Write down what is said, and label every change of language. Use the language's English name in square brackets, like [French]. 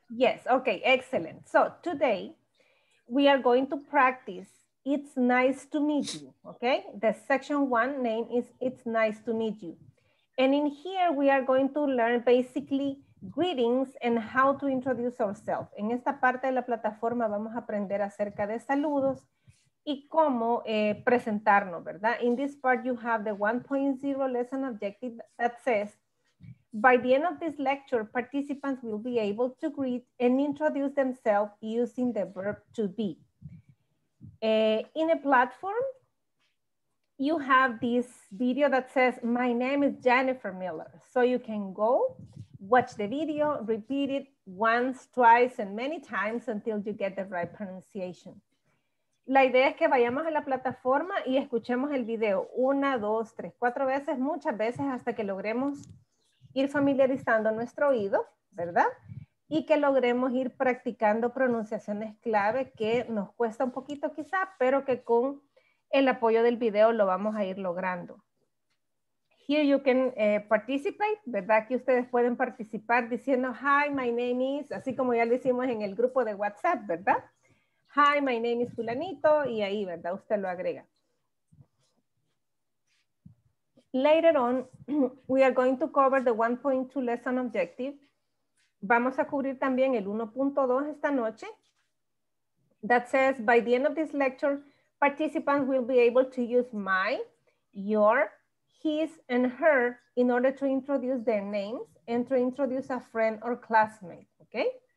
[English] Yes, okay, excellent. So today we are going to practice It's Nice to Meet You, okay? The section one name is It's Nice to Meet You. And in here we are going to learn basically greetings and how to introduce ourselves. [Spanish] En esta parte de la plataforma vamos a aprender acerca de saludos y cómo presentarnos, ¿verdad? [English] In this part you have the 1.0 lesson objective that says, by the end of this lecture, participants will be able to greet and introduce themselves using the verb to be. In a platform, you have this video that says, my name is Jennifer Miller. So you can go watch the video, repeat it once, twice, and many times until you get the right pronunciation. [Spanish] La idea es que vayamos a la plataforma y escuchemos el video una, dos, tres, cuatro veces, muchas veces hasta que logremos ir familiarizando nuestro oído, ¿verdad? Y que logremos ir practicando pronunciaciones clave que nos cuesta un poquito quizá, pero que con el apoyo del video lo vamos a ir logrando. [English] Here you can participate, [Spanish] ¿verdad? Que ustedes pueden participar diciendo, [English] hi, my name is, [Spanish] así como ya lo hicimos en el grupo de WhatsApp, ¿verdad? [English] Hi, my name is fulanito, [Spanish] y ahí, ¿verdad? Usted lo agrega. [English] Later on, we are going to cover the 1.2 lesson objective. [Spanish] Vamos a cubrir también el 1.2 esta noche. [English] That says, by the end of this lecture, participants will be able to use my, your, his, and her in order to introduce their names and to introduce a friend or classmate, okay?